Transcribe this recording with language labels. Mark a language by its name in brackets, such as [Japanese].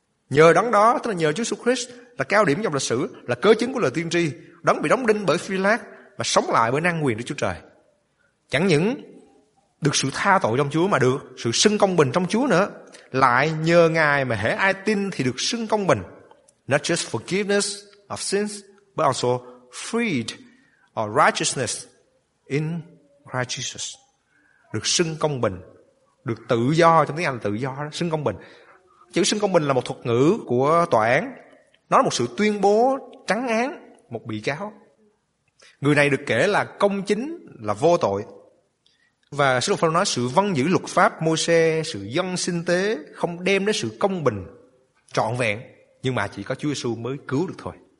[Vietnamese] Nhờ đấng đó, tức là nhờ Chúa Jesus Christ, là cao điểm trong lịch sử, là cớ chứng của lời tiên tri, đấng bị đóng đinh bởi Phi-lát và sống lại bởi năng quyền của Chúa Trời. Chẳng những được sự tha tội trong Chúa mà được sự xưng công bình trong Chúa nữa. Lại nhờ Ngài mà hễ ai tin thì được xưng công bình. [English] Not just forgiveness of sins, but also freed or righteousness in Christ Jesus. [Vietnamese] Được xưng công bình, được tự do, trong tiếng Anh là tự do, xưng công bình. Chữ xưng công bình là một thuật ngữ của tòa án. Nó là một sự tuyên bố trắng án một bị cáo. Người này được kể là công chính, là vô tội. Và Sư Phật nói sự vâng giữ luật pháp Môi-se, sự dân sinh tế không đem đến sự công bình trọn vẹn, nhưng mà chỉ có Chúa Giê-xu mới cứu được thôi.